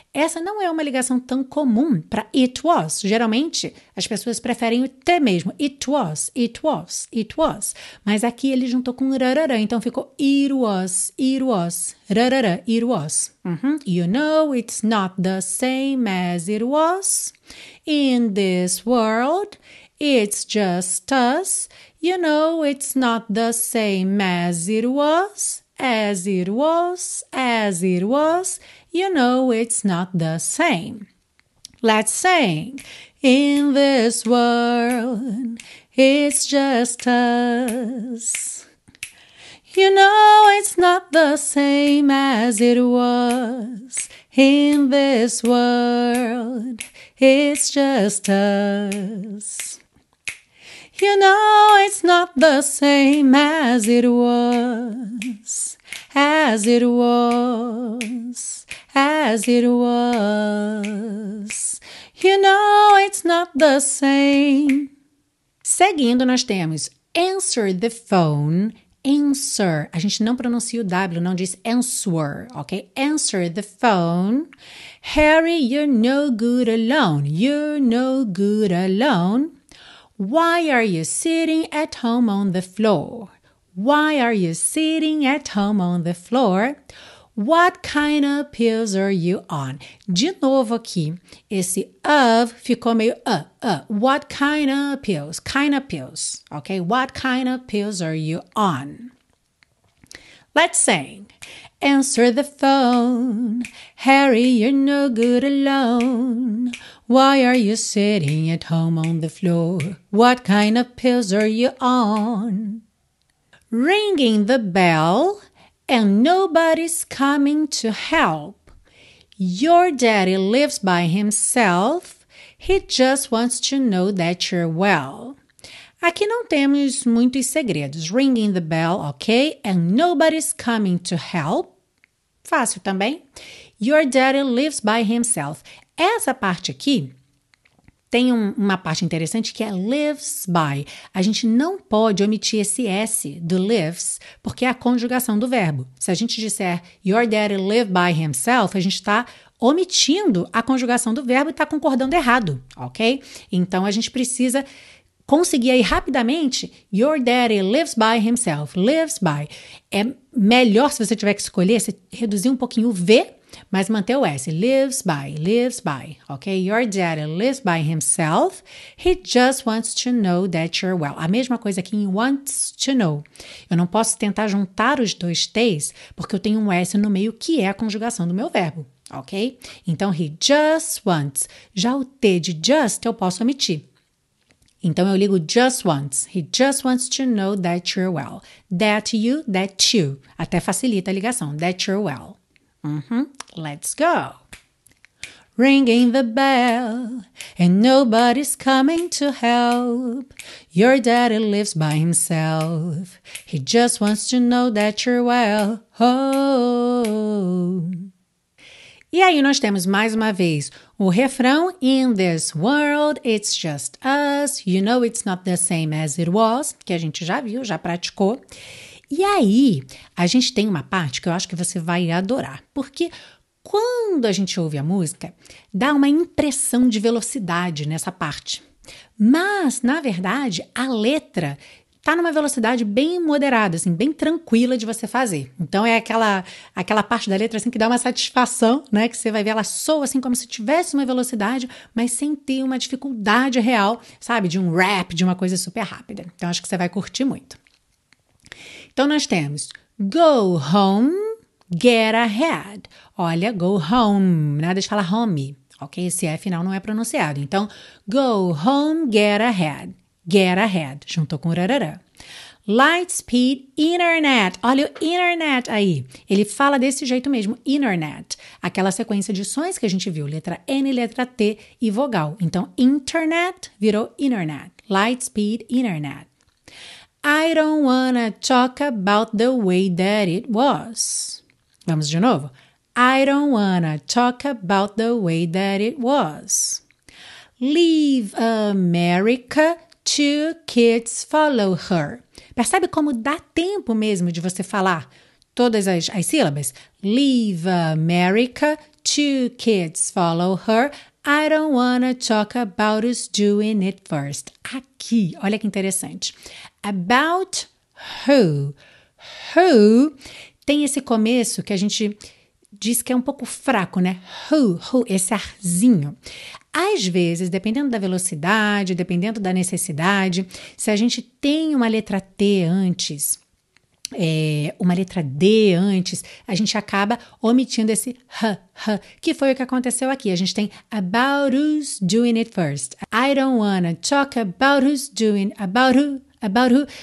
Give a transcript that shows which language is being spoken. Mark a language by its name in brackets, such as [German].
[Portuguese] Essa não é uma ligação tão comum para [English] it was. [Portuguese] Geralmente, as pessoas preferem o T mesmo. [English] It was, it was, it was. [Portuguese] Mas aqui ele juntou com rarara, então ficou [English] it was, rarara, it was. Uhum. You know it's not the same as it was. In this world, It's just us. You know, it's not the same as it was, as it was, as it was. You know, it's not the same. Let's sing. In this world, it's just us. You know, it's not the same as it was. In this world, it's just us. You know, it's not the same as it was. As it was. As it was. You know, it's not the same. [Portuguese] Seguindo, nós temos [English] answer the phone. Answer. [Portuguese] A gente não pronuncia o W, não diz answer, ok? [English] Answer the phone. Harry, you're no good alone. You're no good alone. Why are you sitting at home on the floor? Why are you sitting at home on the floor? What kind of pills are you on? [Portuguese] De novo aqui, esse of ficou meio [English] What kind of pills? Kind of pills. Okay, what kind of pills are you on? Let's sing. Answer the phone. Harry, you're no good alone. Why are you sitting at home on the floor? What kind of pills are you on? Ringing the bell. And nobody's coming to help. Your daddy lives by himself. He just wants to know that you're well. [Portuguese] Aqui não temos muitos segredos. [English] Ringing the bell, ok? And nobody's coming to help. [Portuguese] Fácil também. [English] Your daddy lives by himself. [Portuguese] Essa parte aqui tem uma parte interessante que é lives by. A gente não pode omitir esse S do lives, porque é a conjugação do verbo. Se a gente disser [English] your daddy live by himself, [Portuguese] a gente está omitindo a conjugação do verbo e está concordando errado, ok? Então, a gente precisa conseguir aí rapidamente [English] your daddy lives by [Portuguese] himself, lives by. É melhor, se você tiver que escolher, você reduzir um pouquinho o V, mas manter o S, lives by, ok? [English] Your daddy lives by himself, he just wants to know that you're well. [Portuguese] A mesma coisa aqui em [English] wants to know. [Portuguese] Eu não posso tentar juntar os dois T's, porque eu tenho um S no meio que é a conjugação do meu verbo, ok? Então, [English] he just wants. [Portuguese] Já o T de just eu posso omitir. Então, eu ligo just wants. [English] He just wants to know that you're well. That you. [Portuguese] Até facilita a ligação, [English] that you're well. Mm-hmm. Let's go. Ringing the bell, and nobody's coming to help. Your daddy lives by himself. He just wants to know that you're well. [Portuguese] Oh. E aí nós temos mais uma vez o refrão. [English] In this world, it's just us. You know, it's not the same as it was. [Portuguese] Que a gente já viu, já praticou. E aí, a gente tem uma parte que eu acho que você vai adorar, porque quando a gente ouve a música, dá uma impressão de velocidade nessa parte. Mas, na verdade, a letra está numa velocidade bem moderada, assim, bem tranquila de você fazer. Então, é aquela parte da letra assim, que dá uma satisfação, né? Que você vai ver, ela soa assim, como se tivesse uma velocidade, mas sem ter uma dificuldade real, sabe? De um rap, de uma coisa super rápida. Então, acho que você vai curtir muito. Então, nós temos [English] go home, get ahead. [Portuguese] Olha, [English] go home, [Portuguese] nada de falar home, ok? Esse é final, não é pronunciado. Então, [English] go home, get ahead, [Portuguese] juntou com rarará. [English] Lightspeed, internet, [Portuguese] olha o internet aí. Ele fala desse jeito mesmo, internet. Aquela sequência de sons que a gente viu, letra N, letra T e vogal. Então, internet virou internet, lightspeed, internet. [English] I don't wanna talk about the way that it was. [Portuguese] Vamos de novo. [English] I don't wanna talk about the way that it was. Leave America, two kids follow her. [Portuguese] Percebe como dá tempo mesmo de você falar todas as sílabas? [English] Leave America, two kids follow her. I don't wanna talk about us doing it first. [Portuguese] Aqui, olha que interessante. [English] About who. [Portuguese] Who tem esse começo que a gente diz que é um pouco fraco, né? Who, esse arzinho. Às vezes, dependendo da velocidade, dependendo da necessidade, se a gente tem uma letra T antes, uma letra D antes, a gente acaba omitindo esse h, que foi o que aconteceu aqui. A gente tem [English] about who's doing it first. I don't wanna talk about who's doing, about who.